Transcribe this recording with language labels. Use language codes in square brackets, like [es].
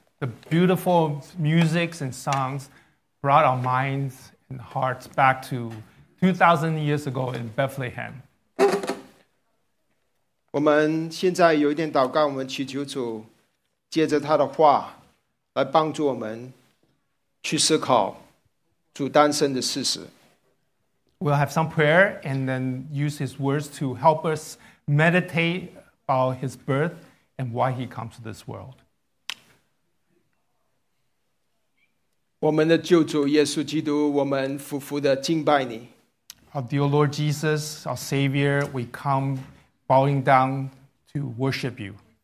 [en] The beautiful musics and songs brought our minds and hearts back to 2,000 years ago in Bethlehem. [zh] 我们现在有一点祷告，我们祈求主借着他的话来帮助我们去思考主诞生的事实。 [en] We'll have some prayer and then use his words to help us meditate about his birth and why he comes to this world. [zh] 我们的救主耶稣基督，我们俯伏地敬拜你。 [en] Our dear Lord Jesus, our Savior, we come bowing down to worship you.